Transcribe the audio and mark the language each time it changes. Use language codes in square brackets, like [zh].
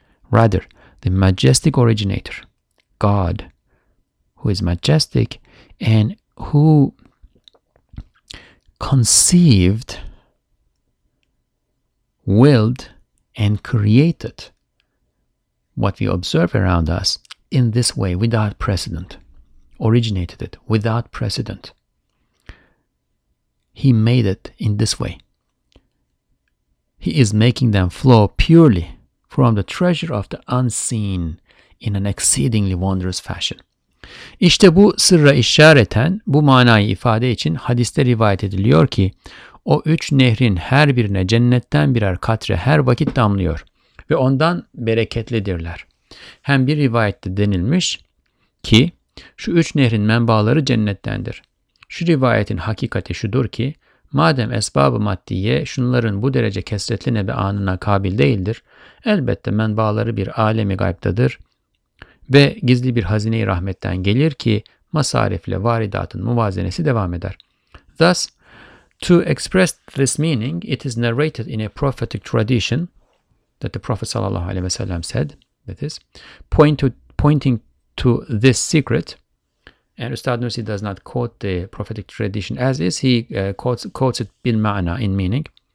[en] Rather, the majestic originator, God, who is majestic and who conceived, willed, and created what we observe around us in this way without precedent, originated it without precedent. He made it in this way. He is making them flow purely from the treasure of the unseen in an exceedingly wondrous fashion. [tr] İşte bu sırra işareten, bu manayı ifade için hadiste rivayet ediliyor ki, o üç nehrin her birine cennetten birer katre her vakit damlıyor ve ondan bereketlidirler. Hem bir rivayette denilmiş ki, şu üç nehrin menbaaları cennettendir. Şu rivayetin hakikati şudur ki, madem esbab-ı maddiye şunların bu derece kesretli nebeanına kabil değildir, elbette menbaaları bir alemi gaybdadır ve gizli bir hazine-i rahmetten gelir ki masarifle varidatın muvazenesi devam eder. [en] Thus, to express this meaning, it is narrated in a prophetic tradition that the Prophet sallallahu aleyhi ve sellem said, that is, pointing to this secret. And Ustad Nursi does not quote the prophetic tradition as is, he quotes it bil ma'na, in meaning.